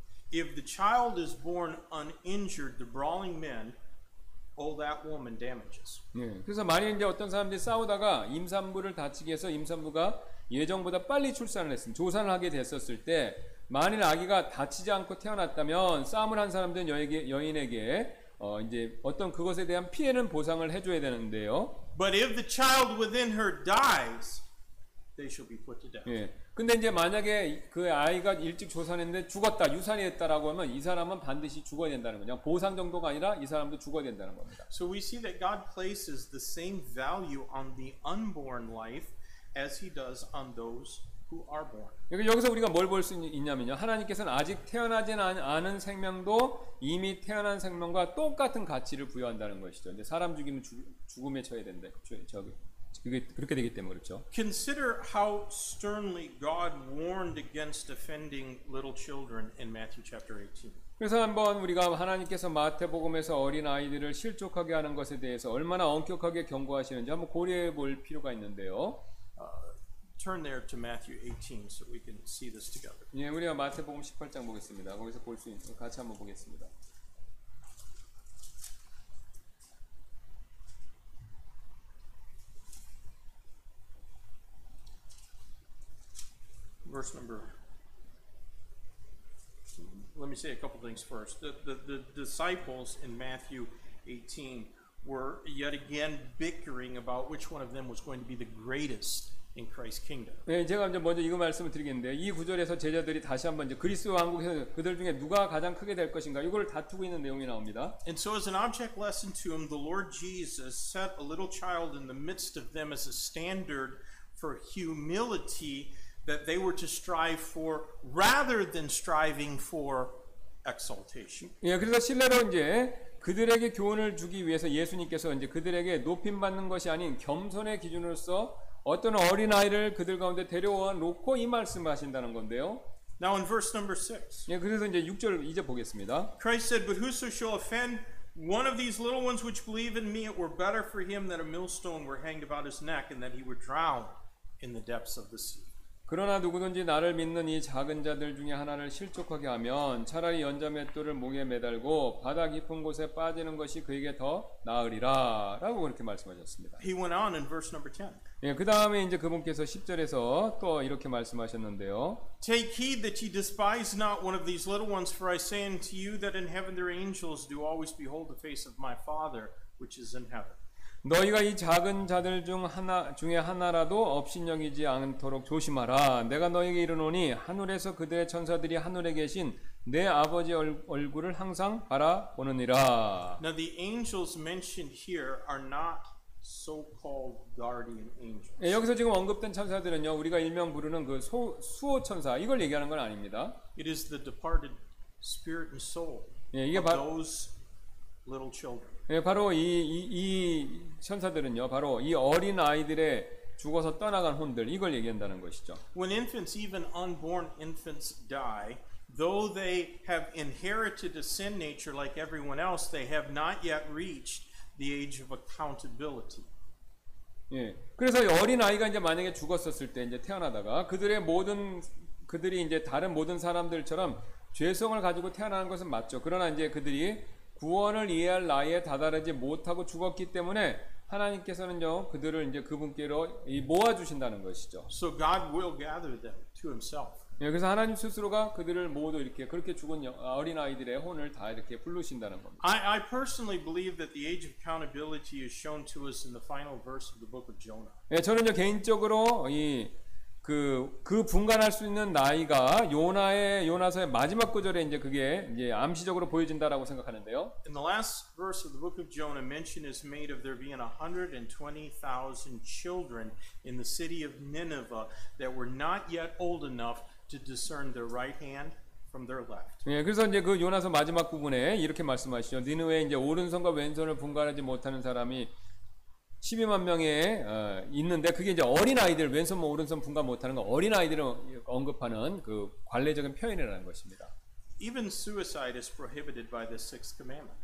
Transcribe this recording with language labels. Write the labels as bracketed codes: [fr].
[en] If the child is born uninjured, the brawling men owe that woman damages. [ko] 예, 그래서 만약 이제 어떤 사람들이 싸우다가 임산부를 다치게 해서 임산부가 예정보다 빨리 출산을 했음 조산을 하게 됐었을 때 만일 아기가 다치지 않고 태어났다면 싸움을 한 사람들은 여인에게 이제 어떤 그것에 대한 피해는 보상을 해줘야 되는데요. [en] But if the child within her dies, they shall be put to death. [ko] 예. 근데 이제 만약에 그 아이가 일찍 조산했는데 죽었다, 유산이 됐다라고 하면 이 사람은 반드시 죽어야 된다는 거죠. 보상 정도가 아니라 이 사람도 죽어야 된다는 겁니다. [en] So we see that God places the same value on the unborn life as he does on those who are born. [ko] 여기서 우리가 뭘 볼 수 있냐면요. 하나님께서는 아직 태어나진 않은 생명도 이미 태어난 생명과 똑같은 가치를 부여한다는 것이죠. 이제 사람 죽이면 죽음에 처해야 된다. 그렇게 되기 때문에 그렇죠. [en] Consider how sternly God warned against offending little children in Matthew chapter 18. [ko] 그래서 한번 우리가 하나님께서 마태복음에서 어린 아이들을 실족하게 하는 것에 대해서 얼마나 엄격하게 경고하시는지 한번 고려해 볼 필요가 있는데요. [en] Turn there to Matthew 18 so we can see this together. [ko] 예, 우리가 마태복음 18장 보겠습니다. 거기서 볼 수 있는 같이 한번 보겠습니다. [en] verse number. Let me say a couple things first. The disciples in Matthew 18 were yet again bickering about which one of them was going to be the greatest in Christ's kingdom. [ko] 네, 제가 먼저 이거 말씀을 드리겠는데 이 구절에서 제자들이 다시 한번 이제 그리스도 왕국에서 그들 중에 누가 가장 크게 될 것인가 이걸 다투고 있는 내용이 나옵니다. [en] And so as an object lesson to him, the Lord Jesus set a little child in the midst of them as a standard for humility that they were to strive for rather than striving for exaltation. [ko] 예, 그래서 신뢰로 이제 그들에게 교훈을 주기 위해서 예수님께서 이제 그들에게 높임 받는 것이 아닌 겸손의 기준으로서 어떤 어린 아이를 그들 가운데 데려와 놓고 이 말씀하신다는 건데요. [en] Now in verse number 6. [ko] 예, 그래서 이제 6절 이제 보겠습니다. [en] Christ said, "But whoso shall offend one of these little ones which believe in me, it were better for him that a millstone were hanged about his neck and that he were drowned in the depths of the sea." [ko] 그러나 누구든지 나를 믿는 이 작은 자들 중에 하나를 실족하게 하면 차라리 연자맷돌을 목에 매달고 바다 깊은 곳에 빠지는 것이 그에게 더 나으리라 라고 그렇게 말씀하셨습니다. [en] He went on in verse number 10. [ko] 예, 그 다음에 이제 그분께서 10절에서 또 이렇게 말씀하셨는데요. [en] Take heed that ye despise not one of these little ones, for I say unto you that in heaven their angels do always behold the face of my Father which is in heaven. [ko] 너희가 이 작은 자들 중 하나 중에 하나라도 업신여기지 않도록 조심하라. 내가 너희에게 이르노니 하늘에서 그들의 천사들이 하늘에 계신 내 아버지 얼굴을 항상 바라보느니라. [en] Now the angels mentioned here are not so-called guardian angels. [ko] 예, 여기서 지금 언급된 천사들은요, 우리가 일명 부르는 그 수호 천사 이걸 얘기하는 건 아닙니다. [en] It is the departed spirit and soul. [ko] 예, 이게 바로 [en] little children. [ko] 예, 바로 이 천사들은요, 바로 이 어린 아이들의 죽어서 떠나간 혼들 이걸 얘기한다는 것이죠. [en] When infants, even unborn infants, die, though they have inherited a sin nature like everyone else, they have not yet reached the age of accountability. [ko] 예, 그래서 어린 아이가 이제 만약에 죽었었을 때 이제 태어나다가 그들이 이제 다른 모든 사람들처럼 죄성을 가지고 태어난 것은 맞죠. 그러나 이제 그들이 구원을 이해할 나이에 다다르지 못하고 죽었기 때문에 하나님께서는요 그들을 이제 그분께로 모아 주신다는 것이죠. [en] So God will gather them to Himself. [ko] 예, 그래서 하나님 스스로가 그들을 모두 이렇게 그렇게 죽은 어린 아이들의 혼을 다 이렇게 부르신다는 겁니다. [en] I personally believe that the age of accountability is shown to us in the final verse of the book of Jonah. [ko] 예, 저는요 개인적으로 이 그 분간할 수 있는 나이가 요나서의 마지막 구절에 이제 그게 이제 암시적으로 보여진다라고 생각하는데요. [en] In the last verse of the book of Jonah, mention is made of there being 120,000 children in the city of Nineveh that were not yet old enough to discern their right hand from their left. [ko] 예, 그래서 이제 그 요나서 마지막 부분에 이렇게 말씀하시죠. 니느웨 이제 오른손과 왼손을 분간하지 못하는 사람이 12만 명에 있는데 그게 이제 어린 아이들 왼손 뭐 오른손 분간 못하는 거 어린 아이들을 언급하는 그 관례적인 표현이라는 것입니다. [en] Even suicide is prohibited by the sixth commandment.